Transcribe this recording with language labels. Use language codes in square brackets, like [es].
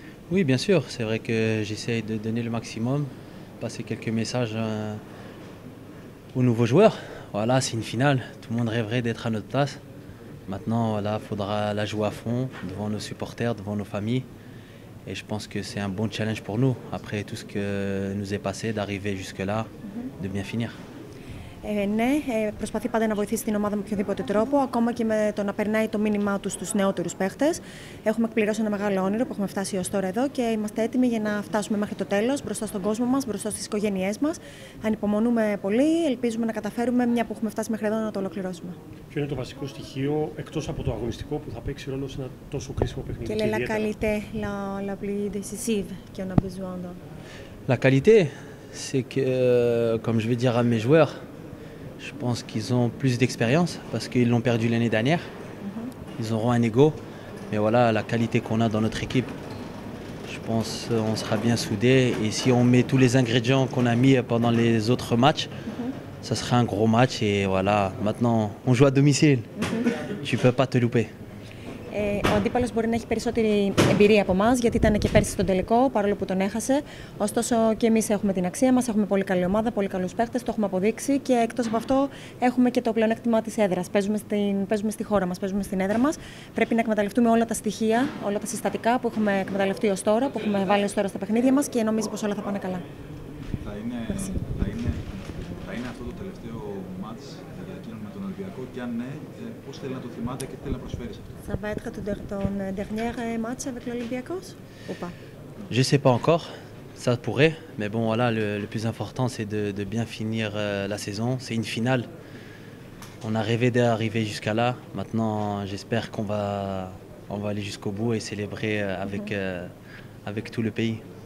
[fr] Oui, bien sûr, c'est vrai que j'essaye de donner le maximum, passer quelques messages aux nouveaux joueurs. Voilà, c'est une finale, tout le monde rêverait d'être à notre place. Maintenant, voilà, faudra la jouer à fond devant nos supporters, devant nos familles. Et je pense que c'est un bon challenge pour nous, après tout ce que nous est passé, d'arriver jusque-là, de bien finir. [el] Ναι, προσπαθεί πάντα να βοηθήσει την ομάδα με οποιοδήποτε τρόπο, ακόμα και με το να περνάει το μήνυμά του στους νεότερους παίχτες. Έχουμε εκπληρώσει ένα μεγάλο όνειρο που έχουμε φτάσει ως τώρα εδώ και είμαστε έτοιμοι για να φτάσουμε μέχρι το τέλος, μπροστά στον κόσμο μας, μπροστά στις οικογένειές μας. Ανυπομονούμε πολύ, ελπίζουμε να καταφέρουμε, μια που έχουμε φτάσει μέχρι εδώ, να το ολοκληρώσουμε. Ποιο είναι το βασικό στοιχείο εκτός από το αγωνιστικό που θα παίξει ρόλο σε ένα τόσο κρίσιμο παιχνίδι? [fr] Quelle est la qualité la plus décisive qu'on a besoin de? La qualité, c'est que, comme je vais dire à mes joueurs, je pense qu'ils ont plus d'expérience parce qu'ils l'ont perdu l'année dernière. Ils auront un ego, mais voilà la qualité qu'on a dans notre équipe. Je pense qu'on sera bien soudés et si on met tous les ingrédients qu'on a mis pendant les autres matchs, ça sera un gros match et voilà, maintenant on joue à domicile. Tu peux pas te louper. [el] Ο αντίπαλος μπορεί να έχει περισσότερη εμπειρία από εμάς, γιατί ήταν και πέρσι στον τελικό, παρόλο που τον έχασε. Ωστόσο, και εμείς έχουμε την αξία μας, έχουμε πολύ καλή ομάδα, πολύ καλούς παίχτες, το έχουμε αποδείξει. Και εκτός από αυτό, έχουμε και το πλεονέκτημα της έδρας. Παίζουμε στη χώρα μας, παίζουμε στην έδρα μας. Πρέπει να εκμεταλλευτούμε όλα τα στοιχεία, όλα τα συστατικά που έχουμε εκμεταλλευτεί ως τώρα, που έχουμε βάλει ως τώρα στα παιχνίδια μας και νομίζω πως όλα θα πάνε καλά. Θα είναι αυτό το τελευταίο μάτς με τον Ολυμπιακό και αν ναι, πώς θέλει να το θυμάται και τι θέλει να προσφέρει σε αυτό? [fr] Ça va être ton dernier match avec l'Olympiakos ou pas? Je sais pas encore, ça pourrait, mais bon voilà, le plus important c'est de bien finir la saison, c'est une finale. On a rêvé d'arriver jusqu'à là, maintenant j'espère qu'on va aller jusqu'au bout et célébrer avec tout le pays.